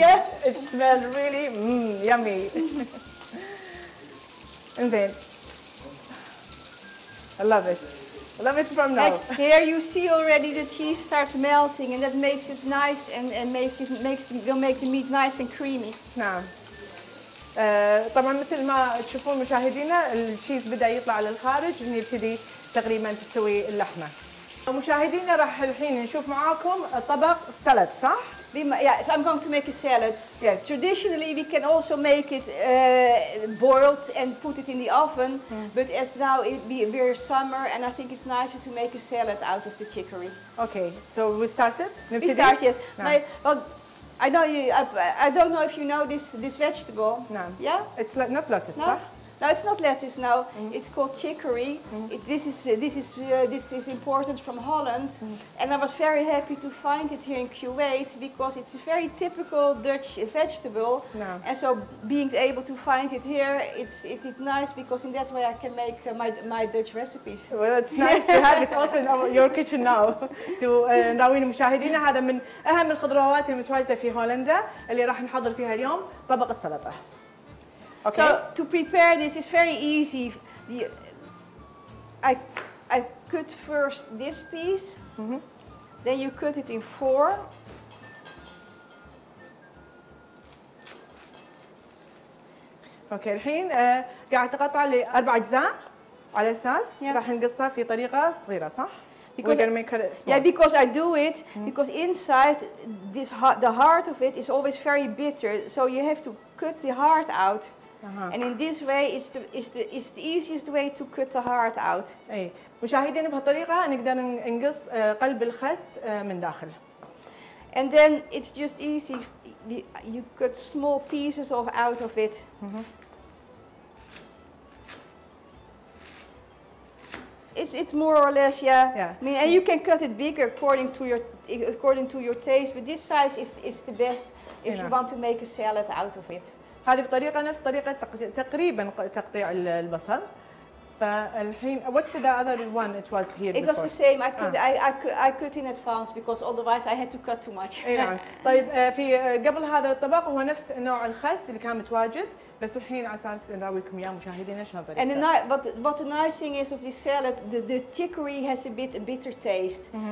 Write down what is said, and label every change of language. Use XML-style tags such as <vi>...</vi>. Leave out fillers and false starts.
<en>Yeah. It smells really yummy. And then, I love it. Love it from now. Here you see already the cheese starts melting, and that makes it nice and makes the meat nice and creamy.</en> <ar>نعم. طبعا مثل ما تشوفون مشاهدينا الشيز بدأ يطلع للخارج هني يبتدي تقريبا تستوي اللحمة. مشاهدينا راح الحين نشوف معاكم طبق سلطة صح؟</ar> <en>Yes, I'm going to make a salad. Yes. Traditionally, we can also make it boiled and put it in the oven. Mm. But as now it be very summer, and I think it's nicer to make a salad out of the chicory. Okay. So we started. We start. Yes. No. I don't know if you know this vegetable. No. Yeah. It's not lettuce. No. Huh? No, it's not lettuce. No. Mm. It's called chicory. Mm. This is imported from Holland, and I was very happy to find it here in Kuwait because it's a very typical Dutch vegetable. No. And so being able to find it here, it's nice because in that way I can make my Dutch recipes. Well, it's nice to have it also in your kitchen now.</en> <ar>To نراوين مشاهدينا هذا من أهم الخضروات المتواجدة في هولندا اللي راح نحضر فيها اليوم طبق السلطة.</ar> <en>Okay. So to prepare this is very easy. I cut first this piece, then you cut it in four.</en> <ar>Okay, الحين قاعد تقطع لأربع أجزاء على أساس راح نقصها في طريقة صغيرة صح؟</ar> <en>Because I do it because inside this the heart of it is always very bitter, so you have to cut the heart out. Uh-huh. And in this way, it's the easiest way to cut the heart out.</en> <ar>أي مشاهدين بهالطريقة نقدر نقص قلب الخس من داخل.</ar> <en>And then it's just easy. You cut small pieces of out of it. It's more or less, yeah. Yeah. I mean, and you can cut it bigger according to your taste. But this size is the best if you want to make a salad out of it.</en> <ar>هذه بطريقة نفس طريقة تقريبا تقطيع البصل.</ar> <en>فالحين what's the other one it was here it before? It was the same. I cut in advance because otherwise I had to cut too much.</en> <ar>نعم. طيب في قبل هذا الطبق هو نفس نوع الخس اللي كان متواجد بس الحين على اساس نراويكم اياه مشاهدينا شنو الطريقة.</ar> <en>And what a nice thing is of this salad, the chicory has a bitter taste.</en>